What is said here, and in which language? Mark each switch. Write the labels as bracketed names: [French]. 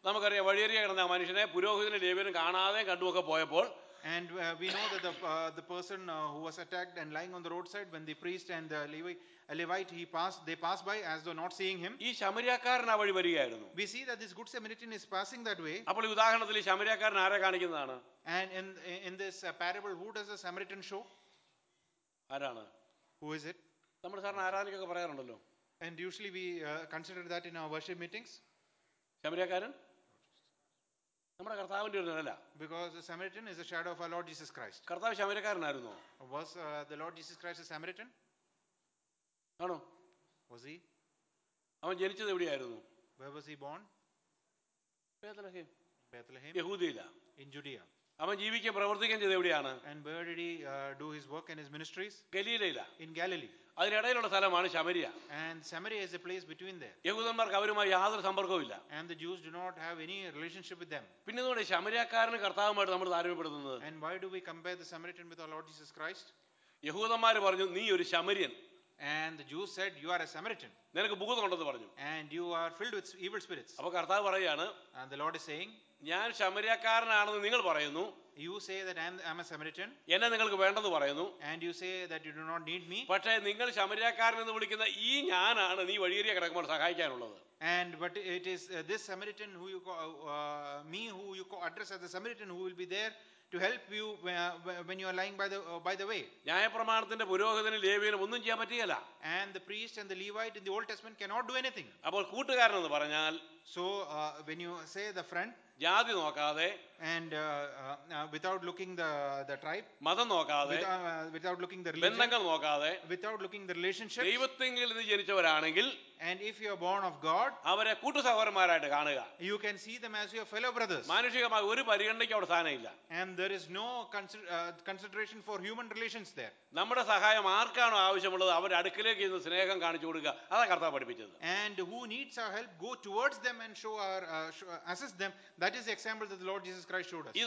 [Malayalam] നമുക്കറിയാം വഴിയരികെ കിടന്ന മനുഷ്യനെ പുരോഹിതനെ ലേവ്യനും കാണാതെ കണ്ടുമൊക്കെ പോയപ്പോൾ. [English] And we know that the person who was attacked and lying on the roadside, when the priest and the Levite they passed by as though not seeing him. [Malayalam] ഈ ശമര്യക്കാരൻ അവിടെ വരികയായിരുന്നു. [English] We see that this good Samaritan is passing that way. [Malayalam] അപ്പോൾ ഈ ഉദാഹരണത്തിൽ ഈ ശമര്യക്കാരൻ ആരെ കാണിക്കുന്നതാണ്? [English] And in this parable who does the Samaritan show? [Malayalam] ആരാണ്? [English] Who is it? [Malayalam] നമ്മൾ സാധാരണ ആരാധനയ്ക്കൊക്കെ പറയാറുണ്ടല്ലോ. [English] And usually we consider that in our worship meetings. [Malayalam] ശമര്യക്കാരൻ നമ്മുടെ കർത്താവിന്റെ ഒരു നിഴല. [English] Because the Samaritan is a shadow of our Lord Jesus Christ. [Malayalam] കർത്താവ് ശമര്യക്കാരനായിരുന്നോ? [English] Was the Lord Jesus Christ a Samaritan? [Malayalam] ആണോ? [English] Was he? [Malayalam] അവൻ ജനിച്ചത് എവിടെയായിരുന്നു? [English] Where was he born? [Malayalam] Bethlehem. [English] Bethlehem [Malayalam] യഹൂദയില. [English] In Judea. [Malayalam] അവൻ ജീവിക്കാൻ പ്രവർത്തിക്കാൻ ചെയ്ത എവിടെയാണ്? [English] And where did he do his work and his ministries? [Malayalam] ഗലീലയില. [English] In Galilee. [Malayalam] അതിനിടയിലുള്ള സ്ഥലമാണ് ശമരിയ. [English] And Samaria is a place between there. [Malayalam] യഹൂദന്മാർക്ക് അവരുമായി യാതൊരു സമ്പർക്കവും ഇല്ല. [English] And the Jews do not have any relationship with them. [Malayalam] പിന്നെ എന്തുകൊണ്ട് ശമരിയക്കാരന് കർത്താവുമായിട്ട് നമ്മൾ താരതമ്യപ്പെടുത്തുന്നത്? [English] And why do we compare the Samarian with our Lord Jesus Christ? [Malayalam] യഹൂദന്മാർ പറഞ്ഞു, നീ ഒരു ശമരിയൻ. [English] And the Jews said, you are a Samaritan. [Malayalam] നിനക്ക് ഭൂതം ഉണ്ടെന്ന് പറഞ്ഞു. [English] And you are filled with evil spirits. [Malayalam] അപ്പോൾ കർത്താവ് പറയുകയാണ്, [English] And the Lord is saying, [Malayalam] ഞാൻ ശമരിയക്കാരനാണെന്ന് നിങ്ങൾ പറയുന്നു. [English] You say that I am a Samaritan. [Malayalam] എന്നെ നിങ്ങൾക്ക് വേണ്ടെന്ന് പറയുന്നു. [English] And you say that you do not need me. [Malayalam] പക്ഷേ നിങ്ങൾ ശമരിയക്കാരൻ എന്ന് വിളിക്കുന്ന ഈ ഞാനാണ് നീ വഴിയേറിയ കിടക്കുമ്പോൾ സഹായിക്കാനുള്ളത്. [English] And but it is this Samaritan who you address as a Samaritan who will be there to help you when you are lying by the way. [Malayalam] ന്യായപ്രമാണത്തിന്റെ പുരോഹിതനെ ലേവിയനെ ഒന്നും ചെയ്യാൻ പറ്റില്ല. [English] And the priest and the levite in the old testament cannot do anything. [Malayalam] അപ്പോൾ കൂട്ടുകാരൻ എന്ന് പറഞ്ഞാൽ, [English] so when you say the friend, [Malayalam] ജാതി നോക്കാതെ, [English] and without looking the tribe, [Malayalam] മതം നോക്കാതെ, [English] without looking the religion, [Malayalam] ബന്ധങ്ങൾ നോക്കാതെ, [English] without looking the relationship, [Malayalam] ദൈവത്തിങ്കിൽ നിന്ന് ജനിച്ചവരാണെങ്കിൽ, [English] and if you are born of God, [Malayalam] അവരെ കൂട്ടുസഹോദരന്മാരായിട്ട് കാണുക. [English] You can see them as your fellow brothers. [Malayalam] മാനുഷികമായി ഒരു പരിഗണനയ്ക്കും അവിടെ സ്ഥാനമില്ല. [English] And there is no consideration for human relations there. [Malayalam] നമ്മുടെ സഹായം ആർക്കാണോ ആവശ്യമുള്ളത് അവരുടെ അടുക്കലേക്ക് ഇന്ന് സ്നേഹം കാണിച്ചു കൊടുക്കുക. അതാണ് കർത്താവ് പഠിപ്പിച്ചത്. [English] And who needs our help, go towards them and show our assist them. That is the example that the Lord Jesus Christ showed us.